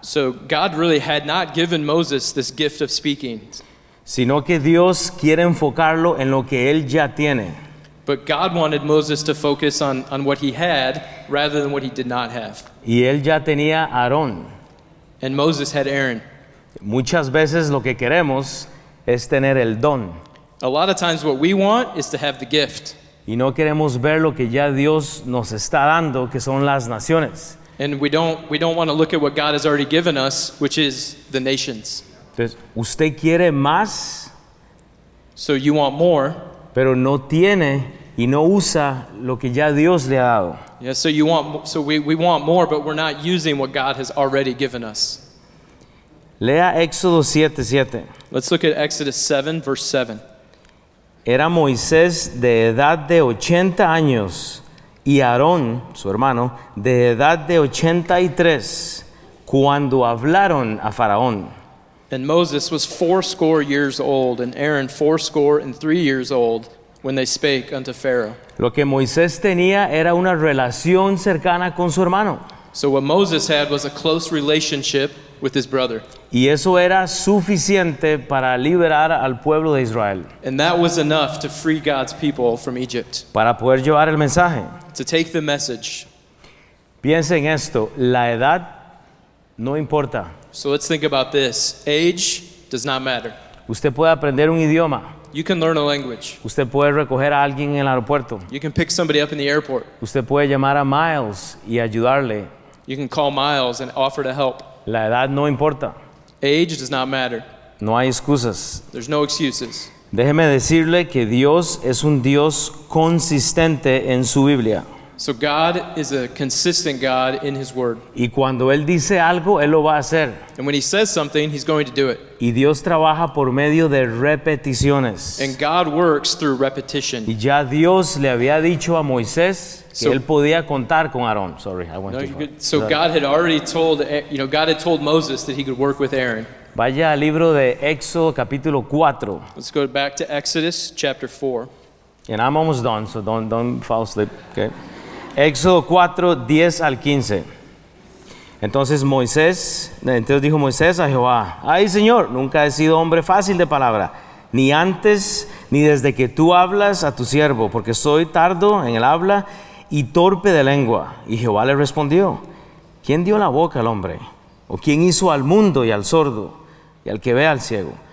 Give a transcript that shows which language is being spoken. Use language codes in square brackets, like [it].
[en] So God really had not given Moses this gift of speaking. [es] Sino que Dios quiere enfocarlo en lo que él ya tiene. [en] But God wanted Moses to focus on what he had rather than what he did not have. [es] Y él ya tenía Aarón. [en] And Moses had Aaron. [es] Muchas veces lo que queremos es tener el don. [en] A lot of times what we want is to have the gift. [es] Y no queremos ver lo que ya Dios nos está dando, que son las naciones. [en] And we don't want to look at what God has already given us, which is the nations. [es] Entonces, usted quiere más. [en] So you want more. [es] Pero no tiene y no usa lo que ya Dios le ha dado. [en] Yeah, so we want more, but we're not using what God has already given us. [es] Lea Éxodo 7:7. [en] Let's look at Exodus 7, verse 7. [es] Era Moisés de edad de 80 años y Aarón, su hermano, de edad de 83 cuando hablaron a Faraón. [en] And Moses was 80 years old and Aaron 83 years old when they spake unto Pharaoh. [es] Lo que Moisés tenía era una relación cercana con su hermano. [en] So what Moses had was a close relationship with his brother. [es] Y eso era suficiente para liberar al pueblo de Israel. [en] And that was enough to free God's people from Egypt. [es] Para poder llevar el mensaje. [en] To take the message. [es] Piensen en esto, la edad no importa. [en] So let's think about this. Age does not matter. [es] Usted puede aprender un idioma. [en] You can learn a language. [es] Usted puede recoger a alguien en el aeropuerto. [en] You can pick somebody up in the airport. [es] Usted puede llamar a Miles y ayudarle. [en] You can call Miles and offer to help. [es] La edad no importa. [en] Age does not matter. [es] No hay excusas. [en] There's no excuses. [es] Déjeme decirle que Dios es un Dios consistente en su Biblia. [en] So God is a consistent God in His Word. [es] Y cuando Él dice algo, Él lo va a hacer. [en] And when He says something, He's going to do it. [es] Y Dios trabaja por medio de repeticiones. [en] And God works through repetition. [es] Y ya Dios le había dicho a Moisés que Él podía contar con Aarón. [en] Sorry, I went too far. So God had already told, you know, God had told Moses that He could work with Aaron. [es] Vaya al libro de Éxodo, capítulo 4. [en] Let's go back to Exodus, chapter 4. And I'm almost done, so don't fall asleep, okay? [es] Éxodo 4, 10 al 15. Entonces dijo Moisés a Jehová, ay Señor, nunca he sido hombre fácil de palabra, ni antes ni desde que tú hablas a tu siervo, porque soy tardo en el habla y torpe de lengua. Y Jehová le respondió, ¿quién dio la boca al hombre? ¿O quién hizo al mundo y al sordo y al que ve al ciego?